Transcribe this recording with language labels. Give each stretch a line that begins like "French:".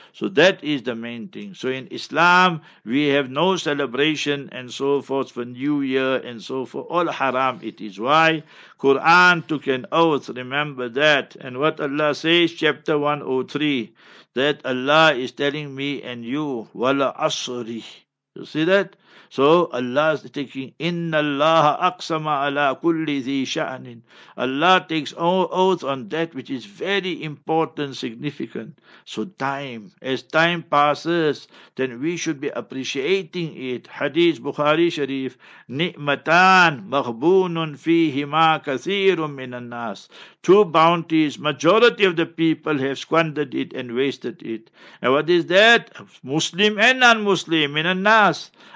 English: So that is the main thing. So in Islam, we have no celebration and so forth for New Year and so forth. All haram it is. Why? Quran took an oath, remember that. And what Allah says, chapter 103, that Allah is telling me and you,
Arabic: wala asri.
English: You see that? So Allah is taking,
Arabic: إن الله أقسم على كل ذي شأن.
English: Allah takes oath on that which is very important, significant. So time, as time passes, then we should be appreciating it.
Arabic: Hadith Bukhari Sharif, نِئْمَتَان مَغْبُونٌ فِيهِمَا كَثِيرٌ مِنَ النَّاسِ.
English: Two bounties, majority of the people have squandered it and wasted it. And what is that? Muslim and non-Muslim,
Arabic: مِنَ النَّاسِ.